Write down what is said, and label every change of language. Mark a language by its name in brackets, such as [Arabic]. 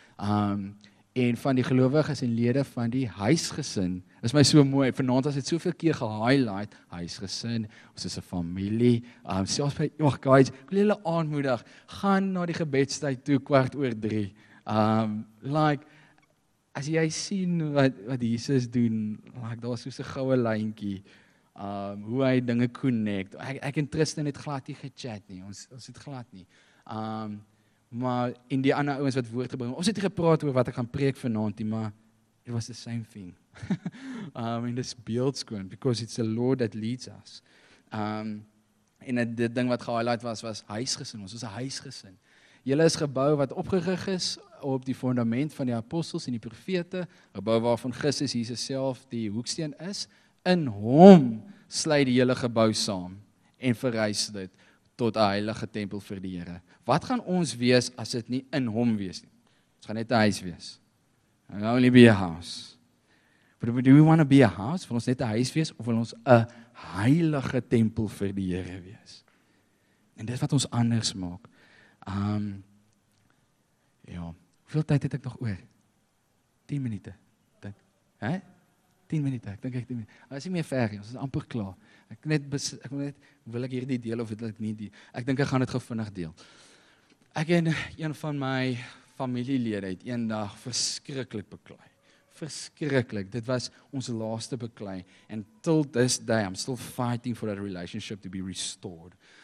[Afrikaans] En van die gelowiges en lede van die huisgesin, is my so mooi, vanaand as het soveel keer gehighlight, huisgesin, ons is 'n familie, selfs by, [English] oh guys, [Afrikaans] ek wil julle aanmoedig, gaan na die gebedstyd toe, 3:15, like, as jy sien wat Jesus doen, like, daar is soos 'n goue lijntjie, hoe hy dinge connect, ek en Tristan het glad nie gechat nie, ons het glad nie, maar in die ander ouens wat woord gebring, ons het gepraat oor wat ek gaan preek vanaand, maar [English] it was the same thing. [Afrikaans] en dis beeldskoon, [English] because it's the Lord that leads us. [Afrikaans] En die ding wat gehighlight was huisgesin, ons was 'n huisgesin. Julle is gebou wat opgerig is op die fondament van die apostels en die profete, gebou waarvan Christus Jesus self die hoeksteen is, in hom sluit die hele gebou saam en verrys dit tot 'n heilige tempel vir die Here. Wat gaan ons wees as dit nie in hom wees nie? Ons gaan net 'n huis wees. [English] We'll only be a house. But do we want to be a house? [Afrikaans] Wil ons net 'n huis wees of wil ons 'n heilige tempel vir die Here wees? En dit wat ons anders maak. Hoeveel tyd het ek nog oor? 10 minute. Dink. Hè? 10 minute. Ek dink ek 10 minute. Ons is nie meer ver nie. Ons is amper klaar. Ek wil hierdie deel of dit nie die. Ek dink ek gaan dit gou vinnig deel. Ek en een van my familielede het eendag verskriklik beklei. Verskriklik. Dit was ons laaste beklei. [English] And till this day, I'm still fighting for that relationship to be restored.